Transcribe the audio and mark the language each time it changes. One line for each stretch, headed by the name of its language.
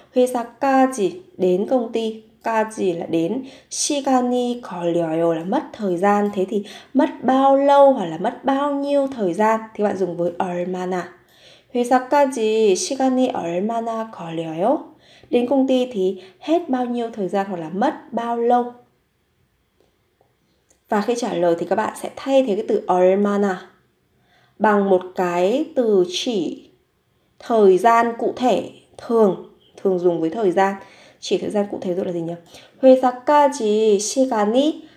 Vietnamese: 회사까지 đến công ty, 까지 là đến,
Korean: 시간이 걸려요
Vietnamese: là mất thời gian. Thế thì mất bao lâu hoặc là mất bao nhiêu thời gian thì bạn dùng với 얼마나.
Korean: 회사까지 시간이 얼마나 걸려요?
Vietnamese: Đến công ty thì hết bao nhiêu thời gian hoặc là mất bao lâu? Và khi trả lời thì các bạn sẽ thay thế cái từ 얼마나 bằng một cái từ chỉ thời gian cụ thể, thường thường dùng với thời gian, chỉ thời gian cụ thể, gọi là gì nhỉ?
Korean: 회사까지 시간이